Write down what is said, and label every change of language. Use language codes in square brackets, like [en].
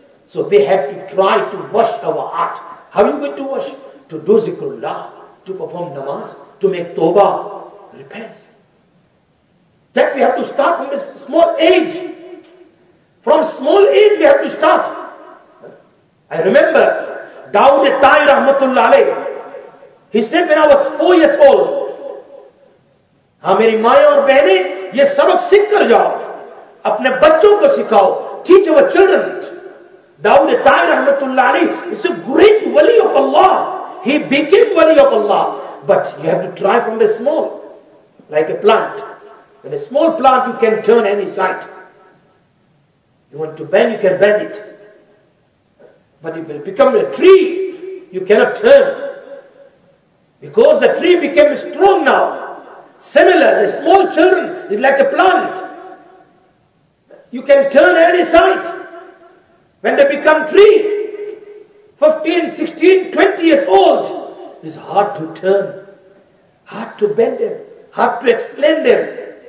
[en] So we have to try to wash our heart. How are you going to wash? To do zikrullah, to perform namaz, to make tawbah, repent. That we have to start from a small age. From small age we have to start. I remember Dawood Tai Rahmatullah Alayh. He said when I was 4 years old, [hi] हाँ मेरी माँ और बहनें ये सबक सीख कर जाओ, अपने बच्चों को सिखाओ, [en] teach our children. Dawood Tai रहमतुल्लाह अली is a great वली ऑफ अल्लाह, ही बिकेम वली of Allah, but you have to try from a small, like a plant. When a small plant you can turn any side, you want to bend you can bend it, but it will become a tree you can not turn, because the tree became strong now. Similar, the small children is like a plant. You can turn any side. When they become tree, 15, 16, 20 years old, it's hard to turn, hard to bend them, hard to explain them.